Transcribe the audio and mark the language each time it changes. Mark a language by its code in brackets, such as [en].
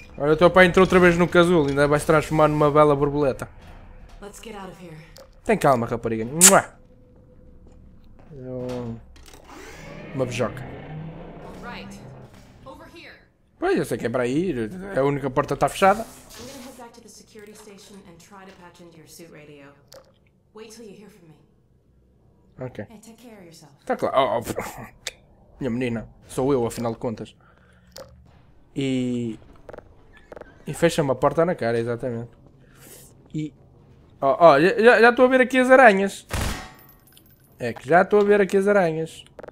[pt] Olha, o teu pai entrou outra vez no casulo, ainda vai se transformar numa bela borboleta. [en] Let's get out of here. [pt] Tem calma, rapariga. Mua! Uma beijoca. [en] Right. Over here. [pt] Pois, eu sei que é para aí, a única porta está fechada. [en] I'm gonna head back to the security station and try to patch into your suit radio. Wait till you hear from me. Ok. And take care of yourself. [pt] Tá claro. Oh, minha menina, sou eu, afinal de contas. E fecha-me a porta na cara, exatamente. E... já estou a ver aqui as aranhas. É que já estou a ver aqui as aranhas.